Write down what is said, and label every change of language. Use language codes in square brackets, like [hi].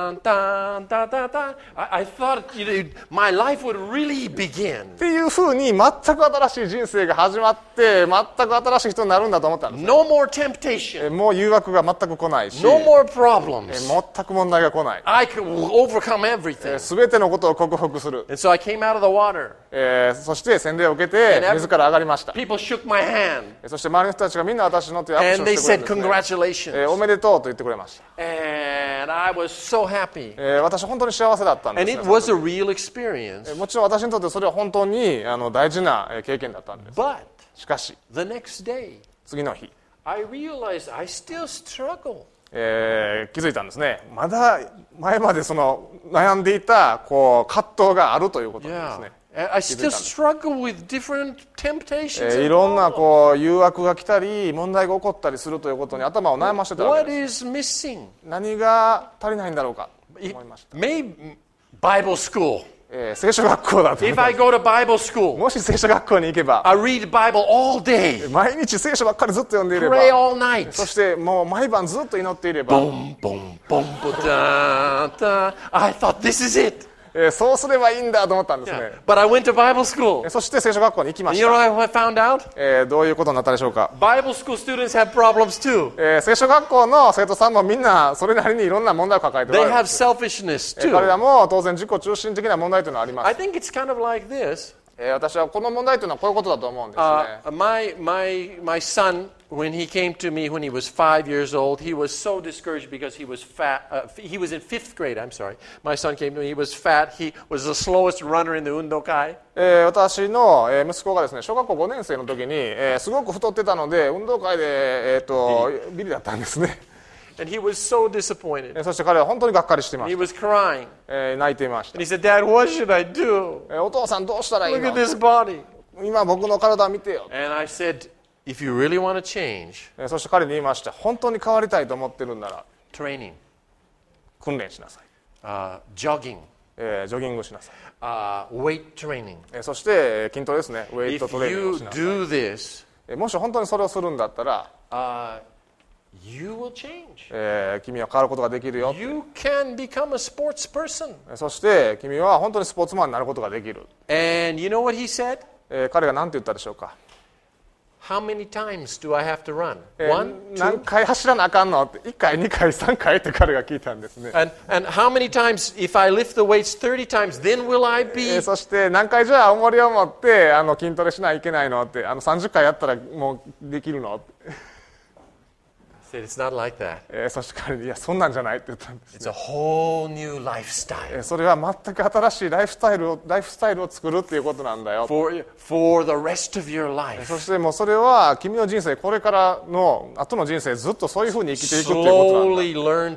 [en] I thought, you know, my life would really begin. [ja] っていうふうに全く新しい人生が始まって全く新しい人になるんだと思ったんです。 [en] No more temptation. [ja] もう誘惑が全く来ないし、 [en] No more problems. [ja] 全く問題が来ない。 [en] I can overcome everything. [ja] 全てのことを克服する。 [en] And so I came out of the water. [ja] そして洗礼を受けて水から上がりました。 [en] People shook my hand. [ja] そして周りの人たちがみんな私の手を握手してくれました。 [en] And they said congratulations. [ja] おめでとうと言ってくれました。 [en] And I was so happy. [ja] 私本当に幸せだったんですね。 [en] And it was a real experience. [ja] もちろん私にとってそれは本当に大事な経験だったんです。 [en] But [ja] しかし、 [en] the next day, [ja] 次の日、 [en] I realized I still struggle. [ja] 気づいたんですね。まだ前までその悩んでいたこう葛藤があるということなんですね。 [en] I still struggle with different temptations. [ja] いろんなこう誘惑が来たり問題が起こったりするということに頭を悩ましてたわけです。 [en] What is missing? [ja] 何が足りないんだろうか思いました。 [en] Maybe Bible school. [ja] 聖書学校だと。 [en] If I go to Bible school, [ja] もし聖書学校に行けば、 [en] I read Bible all day. [ja] 毎日聖書ばっかりずっと読んでいれば、 [en] Pray all night. [ja] そしてもう毎晩ずっと祈っていれば、 [en] Boom, boom, boom, boom, da, da. I thought this is it. [ja] そうすればいいんだと思ったんですね。 [en] Yeah. But I went to Bible school. [ja] そして聖書学校に行きました。 [en] And you know what I found out? [ja] どういうことになったでしょうか。 [en] Bible school students have problems too. [ja] 聖書学校の生徒さんもみんなそれなりにいろんな問題を抱えております。 [en] They have selfishness too. [ja] 彼らも当然自己中心的な問題というのはあります。 [en] I think it's kind of like this. [ja] 私はこの問題というのはこういうことだと思うんですね。 [en] My son, when he came to me when he was 5 years old, he was so discouraged because he was fat. He was in fifth grade, I'm sorry. My son came to me, he was fat, he was the slowest runner in the 運動会。 [ja] 私の息子がですね、小学校5年生の時に、すごく太ってたので、運動会で、ビリだったんですね。 [en] And he was so disappointed. [ja] そして彼は本当にがっかりしていました。 [en] He was crying. [ja] 泣いていました。 [en] And he said, Dad, what should I do? [ja] お父さんどうしたらいいの? [en] Look at this body. [ja] 今僕の体見てよ。 [en] And I said,If you really want to change, [ja] そして彼に言いました。本当に変わりたいと思ってるんなら、 [en] training, [ja] 訓練しなさい。 [en] Jogging, [ja] ジョギングしなさい。 [en] Weight training, [ja] そして筋トレですね。ウェイトトレーニングしなさい。 [en] If you do this, [ja] もし本当にそれをするんだったら、 [en] you will change. [ja] 君は変わることができるよ。 [en] You can become a sports person. [ja] そして君は本当にスポーツマンになることができる。 [en] And you know what he said? [ja] 彼が何て言ったでしょうか。 [en] How many times do I have to run? One, two? [ja] 何回走らなあかんの ?1 回、2回、3回って彼が聞いたんですね。 [en] And how many times, if I lift the weights 30 times, then will I be... [ja] そして何回じゃあ重りを持って筋トレしないといけないのって30回やったらもうできるの [en] said, it's not like that. [ja] そして彼は、いや、そんなんじゃないって言ったんです、ね。 [en] It's a whole new lifestyle. [ja] それは全く新しいライフスタイルを作るっていうことなんだよ。 [en] For the rest of your life. [ja] そしてもうそれは、君の人生、これからの後の人生、ずっとそういうふうに生きていくっていうことなんだ。